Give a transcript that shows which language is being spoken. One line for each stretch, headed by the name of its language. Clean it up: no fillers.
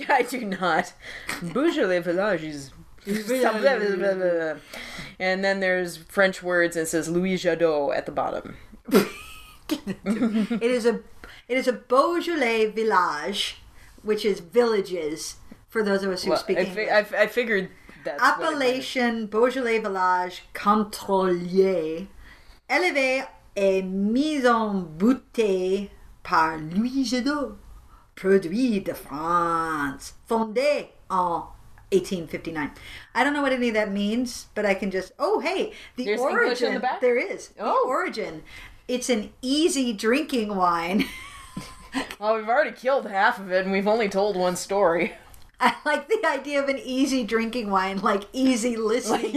English: I do not. Beaujolais Villages. And then there's French words, and it says Louis Jadot at the bottom. It is a Beaujolais Village, which is villages, for those of us who speak English. I figured... That's
French: Appellation Beaujolais Village Contrôlier, élevé et mis en bouteille par Louis Jadot, produit de France, fondé en 1859.
English: I don't know what any of that means, but I can just... Oh, hey, the There's origin... English in the back? There is. Oh. The origin. It's an easy drinking wine. Well, we've already killed half of it, and we've only told one story. I like the idea of an easy drinking wine, like easy listening.